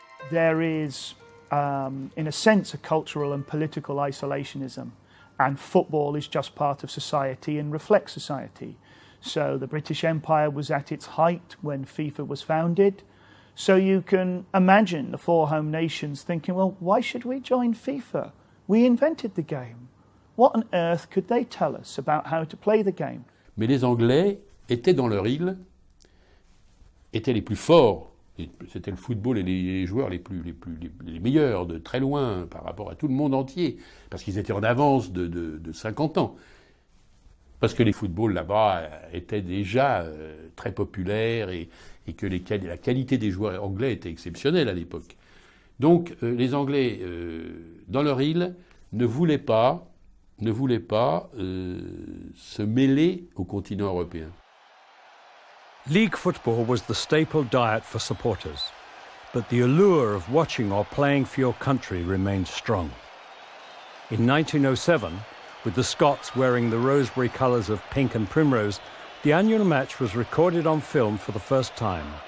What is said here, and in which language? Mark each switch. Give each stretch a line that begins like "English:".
English: There is, in a sense, a cultural and political isolationism, and football is just part of society and reflects society. So the British Empire was at its height when FIFA was founded. So you can imagine the four home nations thinking, well, why should we join FIFA? We invented the game. What on earth could they tell us about how to play the game?
French: Mais les Anglais étaient dans leur île, étaient les plus forts. C'était le football et les joueurs les meilleurs de très loin par rapport à tout le monde entier, parce qu'ils étaient en avance de 50 ans. Parce que les footballs là-bas étaient déjà très populaires et que la qualité des joueurs anglais était exceptionnelle à l'époque. Donc les Anglais, dans leur île, ne voulaient pas se mêler au continent européen.
English: League football was the staple diet for supporters, but the allure of watching or playing for your country remained strong. In 1907, with the Scots wearing the rosemary colours of pink and primrose, the annual match was recorded on film for the first time.